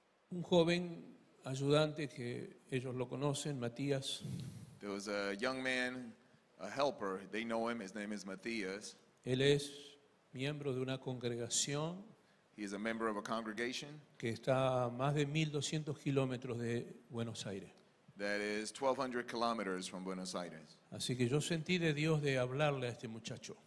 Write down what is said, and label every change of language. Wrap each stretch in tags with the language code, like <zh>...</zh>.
<es>Un joven ayudante que ellos lo conocen, Matías.</es> <en>There was a young man, a helper, they know him, his name is Matías.</en> <es>Él es miembro de una congregación.</es> <en>He is a member of a congregation</en> <es>que está a más de 1,200 kilómetros de Buenos Aires.</es> <en>That is 1,200 kilometers from Buenos Aires.</en> <es>Así que yo sentí de Dios de hablarle a este muchacho.</es>